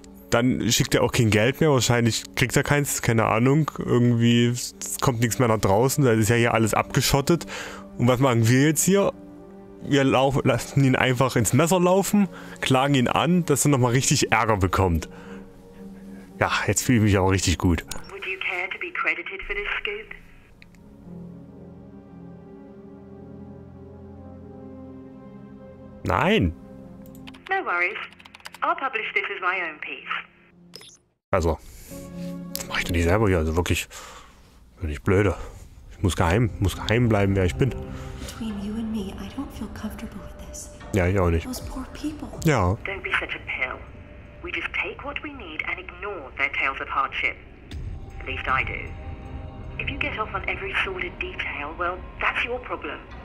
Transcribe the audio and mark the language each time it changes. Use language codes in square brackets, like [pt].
[de] Dann schickt er auch kein Geld mehr, wahrscheinlich kriegt er keins, keine Ahnung, irgendwie kommt nichts mehr nach draußen, da ist ja hier alles abgeschottet. Und was machen wir jetzt hier? Wir lassen ihn einfach ins Messer laufen, klagen ihn an, dass er nochmal richtig Ärger bekommt. Ja, jetzt fühle ich mich auch richtig gut. [en] Would you care to be credited for this scoop? [de] Nein. [en] No worries. I'll publish this as my own piece. [de] Also, das mache ich doch nicht selber hier, also wirklich, bin ich blöde. Ich muss geheim bleiben, wer ich bin. [en] Between you and me, I don't feel comfortable with this. [de] Ja, ich auch nicht. [en] Those poor people. [de] Ja. [en] Don't be such a pill. We just take what we need and ignore their tales of hardship. At least I do. If you get off on every sordid detail, well, that's your problem.